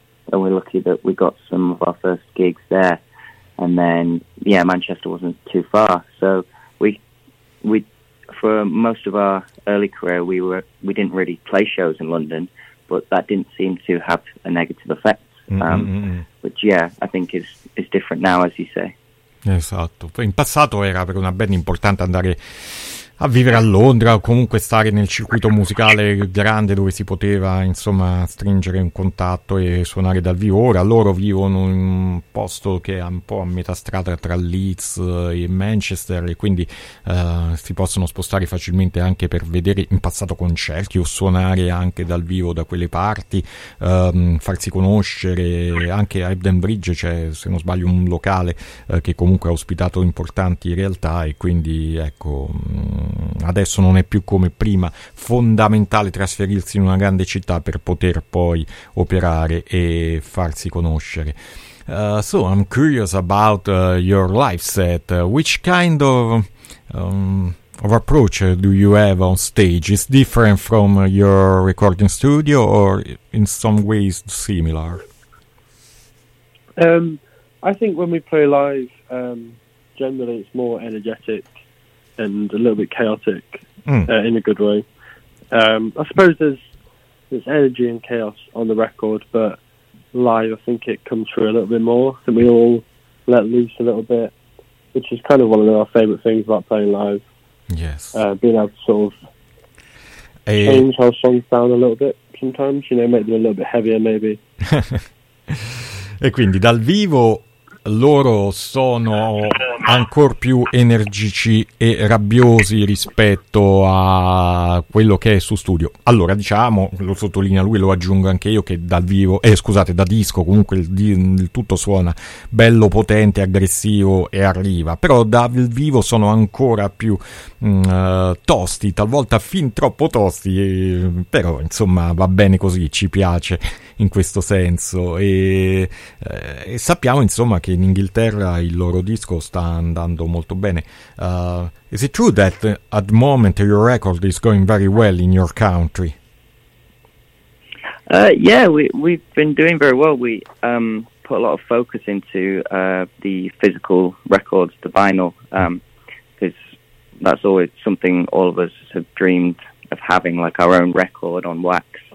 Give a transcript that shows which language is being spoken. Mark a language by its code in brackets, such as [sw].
[en] And we're lucky that we got some of our first gigs there. And then, yeah, Manchester wasn't too far. So we for most of our early career, we didn't really play shows in London, but that didn't seem to have a negative effect. Which, yeah, I think is different now, as you say. [it] Esatto. In passato era per una band importante andare a vivere a Londra o comunque stare nel circuito musicale grande dove si poteva insomma stringere un contatto e suonare dal vivo. Ora loro vivono in un posto che è un po' a metà strada tra Leeds e Manchester, e quindi si possono spostare facilmente anche per vedere in passato concerti o suonare anche dal vivo da quelle parti, farsi conoscere. Anche a Ebden Bridge c'è, se non sbaglio, un locale che comunque ha ospitato importanti realtà, e quindi ecco, adesso non è più come prima, fondamentale trasferirsi in una grande città per poter poi operare e farsi conoscere. [en] So I'm curious about your live set. Which kind of approach do you have on stage? Is different from your recording studio, or in some ways similar? I think when we play live, generally it's more energetic and a little bit chaotic, in a good way. I suppose there's energy and chaos on the record, but live I think it comes through a little bit more, and we all let loose a little bit, which is kind of one of our favourite things about playing live. Yes. Being able to sort of change how songs sound a little bit sometimes, you know, make them a little bit heavier maybe. [it] E quindi dal vivo loro sono ancora più energici e rabbiosi rispetto a quello che è su studio. Allora, diciamo, lo sottolinea lui, lo aggiungo anche io, che dal vivo, scusate, da disco, comunque il tutto suona bello, potente, aggressivo e arriva. Però dal vivo sono ancora più tosti, talvolta fin troppo tosti, però insomma va bene così, ci piace in questo senso. E sappiamo insomma che in Inghilterra il loro disco sta andando molto bene. [en] Is it true that at the moment your record is going very well in your country? Yeah, we've been doing very well. We put a lot of focus into the physical records, the vinyl, because that's always something all of us have dreamed of, having like our own record on wax.